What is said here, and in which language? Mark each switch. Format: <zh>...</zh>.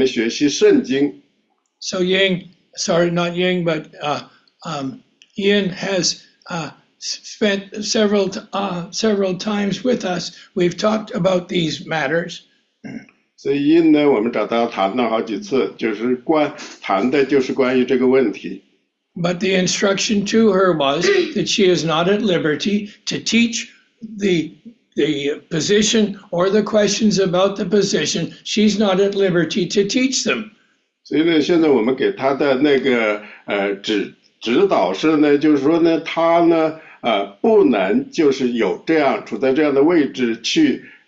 <zh>我们并没有一堂课说我们在这里学习，这个宗教是什么，那个宗教什么，这个宗教错，那个对了。我们在这里学习的是我们学习圣经。</zh> <en>So Ying, sorry, not Ying, but Ian has spent several times with us. We've talked about these matters.</en> <zh>所以呢，我们找到谈了好几次，就是谈的就是关于这个问题。</zh> <en>But the instruction to her was that she is not at liberty to teach the position or the questions about the position. She's not at liberty to teach them.</en> <zh>所以呢，现在我们给她的那个指导是呢，就是说呢，她呢，不能就是有这样处在这样的位置去。</zh>